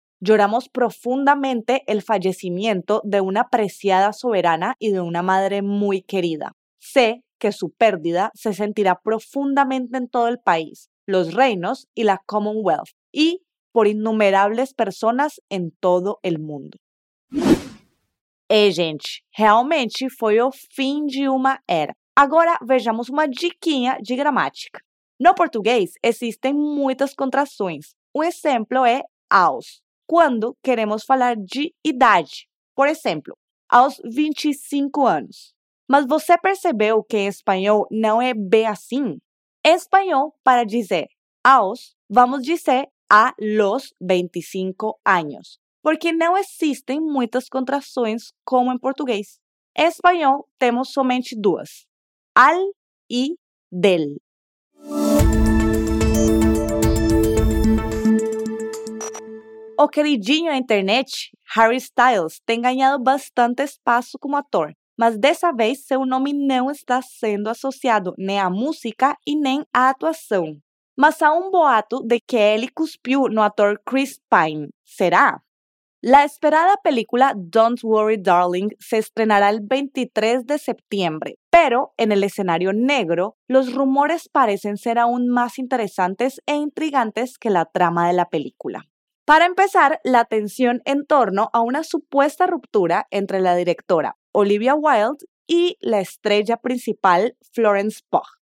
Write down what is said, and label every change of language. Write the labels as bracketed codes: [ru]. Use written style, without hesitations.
[es] Lloramos profundamente el fallecimiento de una apreciada soberana y de una madre muy querida. Sé que su pérdida se sentirá profundamente en todo el país, los reinos y la Commonwealth, y por innumerables personas [pt] em todo o mundo. E, gente, realmente foi o fim de uma era. Agora, vejamos uma diquinha de gramática. No português, existem muitas contrações. Um exemplo é aos, quando queremos falar de idade. Por exemplo, aos 25 anos. Mas você percebeu que em espanhol não é bem assim? Em espanhol, para dizer aos, vamos dizer a los 25 anos. Porque não existem muitas contrações como em português. Em espanhol, temos somente duas. Al e del. O queridinho na internet, Harry Styles, tem ganhado bastante espaço como ator. Mas dessa vez, seu nome não está sendo associado nem à música e nem à atuação. Mas há um boato de que ele cuspiu no ator Chris Pine. Será? [es] La esperada película Don't Worry Darling se estrenará el 23 de septiembre, pero en el escenario negro, los rumores parecen ser aún más interesantes e intrigantes que la trama de la película. Para empezar, la tensión en torno a una supuesta ruptura entre la directora Olivia Wilde y la estrella principal Florence Pugh.